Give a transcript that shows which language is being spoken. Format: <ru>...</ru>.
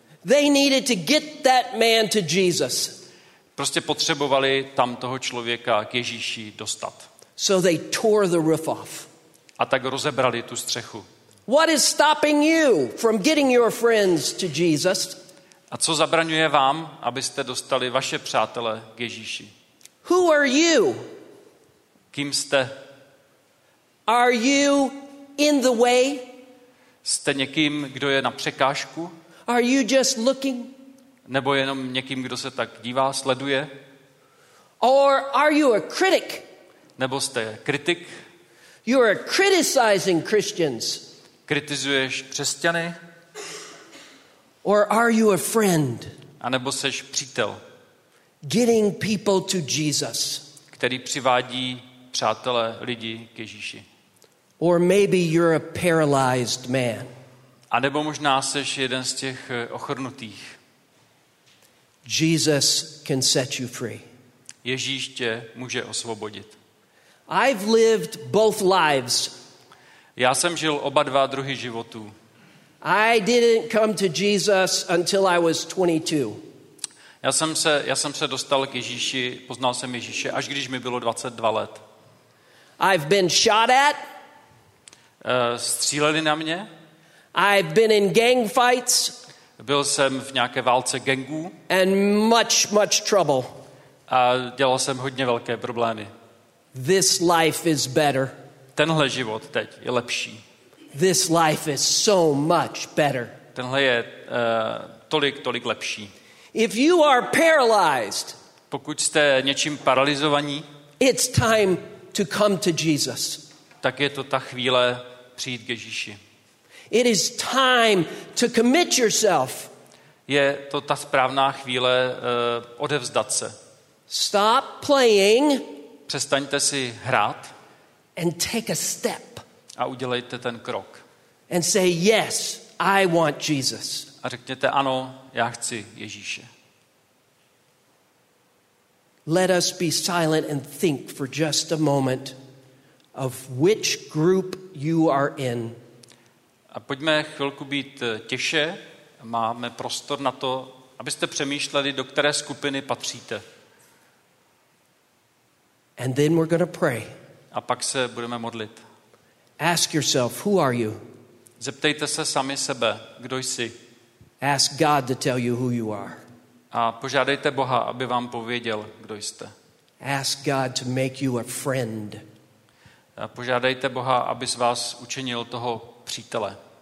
<en>They needed to get that man to Jesus.</en> <cs>Prostě potřebovali tam toho člověka k Ježíši dostat.</cs> <en>So they tore the roof off.</en> <cs>A tak rozebrali tu střechu.</cs> <en>What is stopping you from getting your friends to Jesus?</en> <cs>A co zabraňuje vám, abyste dostali vaše přátele k Ježíši?</cs> <en>Who are you?</en> <cs>Kým jste?</cs> <en>Are you in the way?</en> <cs>Jste někým, kdo je na překážku?</cs> <en>Are you just looking?</en> <cs>Nebo jenom někým, kdo se tak dívá, sleduje?</cs> <en>Or are you a critic?</en> <cs>Nebo jste kritik?</cs> <en>You are criticizing Christians.</en> <cs>Kritizuješ křesťany?</cs> <en>Or are you a friend?</en> <cs>A nebo seš přítel?</cs> <en>Getting people to Jesus.</en> <cs>Který přivádí přátelé lidi k Ježíši.</cs> <en>Or maybe you're a paralyzed man.</en> <cs>A nebo možná seš jeden z těch ochrnutých.</cs> <en>Jesus can set you free.</en> <cs>Ježíš tě může osvobodit.</cs> <en>I've lived both lives.</en> <cs>Já jsem žil oba dva druhy životů.</cs> <en>I didn't come to Jesus until I was 22.</en> <cs>Já jsem se dostal k Ježíši, poznal jsem Ježíše, až když mi bylo 22 let.</cs> <en>I've been shot at.</en> <cs>Stříleli na mě.</cs> <en>I've been in gang fights.</en> <cs>Byl jsem v nějaké válce gangů.</cs> <en>And much, much trouble.</en> <cs>A dělal jsem hodně velké problémy.</cs> <en>This life is better.</en> <cs>Tenhle život teď je lepší.</cs> <en>This life is so much better.</en> <cs>Tenhle je tolik lepší.</cs> <en>If you are paralyzed,</en> <cs>pokud jste něčím paralyzovaní,</cs> <en>it's time to come to Jesus.</en> <cs>Tak je to ta chvíle přijít k Ježíši.</cs> <en>It is time to commit yourself.</en> <cs>Je to ta správná chvíle odevzdat se.</cs> <en>Stop playing.</en> <cs>Přestaňte si hrát.</cs> <en>And take a step.</en> <cs>A udělejte ten krok.</cs> <en>And say yes, I want Jesus.</en> <cs>A řekněte ano, já chci Ježíše.</cs> <en>Let us be silent and think for just a moment of which group you are in.</en> <cs>A pojďme chvilku být tiše. Máme prostor na to, abyste přemýšleli, do které skupiny patříte.</cs> <en>And then we're going to pray.</en> <cs>A pak se budeme modlit.</cs> <en>Ask yourself, who are you?</en> <cs>Zeptejte se sami sebe, kdo jsi.</cs> <en>Ask God to tell you who you are.</en> <cs>A požádejte Boha, aby vám pověděl, kdo jste.</cs> <en>Ask God to make you a friend.</en> <cs>A požádejte Boha, aby z vás učinil toho přítele.</cs>